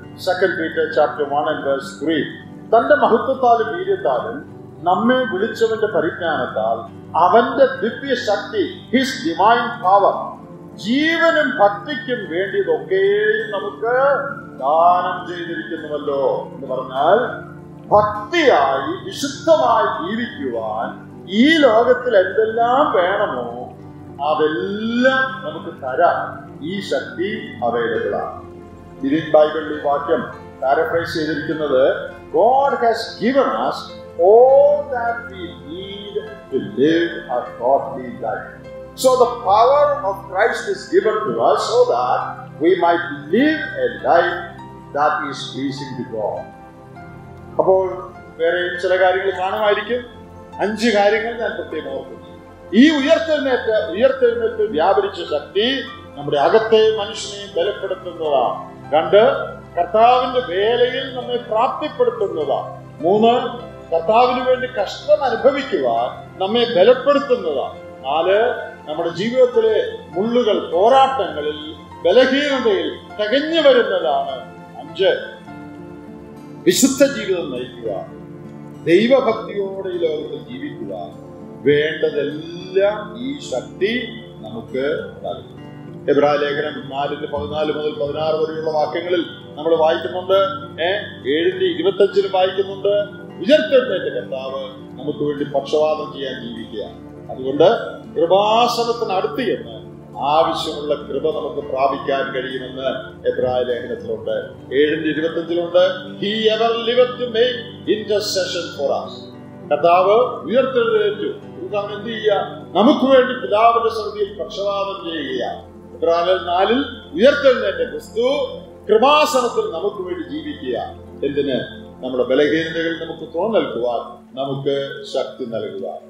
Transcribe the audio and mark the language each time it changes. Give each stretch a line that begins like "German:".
Malayalam: 2 Peter 1:3 തന്റെ മഹത്വത്താലും വീര്യത്താലും നമ്മെ വിളിച്ചവന്റെ പരിജ്ഞാനത്താൽ അവന്റെ ദിവ്യ ശക്തി,
English: his divine power,
Malayalam: ജീവനും ഭക്തിക്കും വേണ്ടിയതൊക്കെയും നമുക്ക് ദാനം ചെയ്തിരിക്കുന്നുവല്ലോ എന്ന് പറഞ്ഞാൽ ഭക്തിയായി വിശുദ്ധമായി ജീവിക്കുവാൻ ഈ ലോകത്തിൽ എന്തെല്ലാം വേണമോ അതെല്ലാം നമുക്ക് തരാൻ ഈ ശക്തി അവൈലബിൾ ആണ്. ഇതിൽ ബൈബിളിൽ വാക്യം പാരഫ്രൈസ് ചെയ്തിരിക്കുന്നത്,
English: God has given us all that we need to live a godly life. So the power of Christ is given to us so that we might live a life that is pleasing to God.
Malayalam: അപ്പോൾ വേറെ ചില കാര്യങ്ങൾ കാണുമായിരിക്കും. 5 കാര്യങ്ങൾ ഞാൻ പ്രത്യേകം ഓർക്കുന്നു. ഈ ഉയർത്തെഴുന്നേറ്റ് വ്യാപരിച്ച ശക്തി നമ്മുടെ അകത്തെ മനുഷ്യനെയും ബലപ്പെടുത്തുന്നതാണ്. 2, കർത്താവിന്റെ വേലയിൽ നമ്മെ പ്രാപ്തിപ്പെടുത്തുന്നതാണ്. 3, കർത്താവിന് വേണ്ടി കഷ്ടം അനുഭവിക്കുവാൻ നമ്മെ ബലപ്പെടുത്തുന്നതാണ്. 4, നമ്മുടെ ജീവിതത്തിലെ മുള്ളുകൾ, പോരാട്ടങ്ങളിൽ, ബലഹീനതയിൽ തികഞ്ഞു വരുന്നതാണ്. 5, വിശുദ്ധ ജീവിതം നയിക്കുക, ദൈവഭക്തിയോടെ ഈ ലോകത്തിൽ ജീവിക്കുക, വേണ്ടതെല്ലാം ഈ ശക്തി നമുക്ക് നൽകും. എബ്രായ ലേഖനം 4:14-16 വാക്യങ്ങളിൽ നമ്മൾ വായിക്കുന്നുണ്ട്. 7:25 വായിക്കുന്നുണ്ട്, ഉയർത്തെഴുന്നേറ്റ കർത്താവ് നമുക്ക് വേണ്ടി പക്ഷപാതം ചെയ്യാൻ ജീവിക്കുക. അതുകൊണ്ട് കൃപാസനത്തിനടുത്ത് ചെന്ന് ആവശ്യമുള്ള കൃപ നമുക്ക് പ്രാപിക്കാൻ കഴിയുമെന്ന് എബ്രായ ലേഖനത്തിലുണ്ട്.
English: 7:25 He ever liveth to make intercession for us.
Malayalam: കർത്താവ് ഉയർത്തെഴുന്നേറ്റു, നാം എന്ത് ചെയ്യുക? നമുക്ക് വേണ്ടി പിതാവിന്റെ സന്നിധിയിൽ പക്ഷപാതം ചെയ്യുക. എബ്രായ 4 ഉയർത്തെഴുന്നേറ്റ ക്രിസ്തു കൃപാസനത്തിൽ നമുക്ക് വേണ്ടി ജീവിക്കുക. എന്തിന്? നമ്മുടെ ബലഹീനതകൾ നമുക്ക് തുറന്നേൽക്കുവാൻ നമുക്ക് ശക്തി നൽകുക.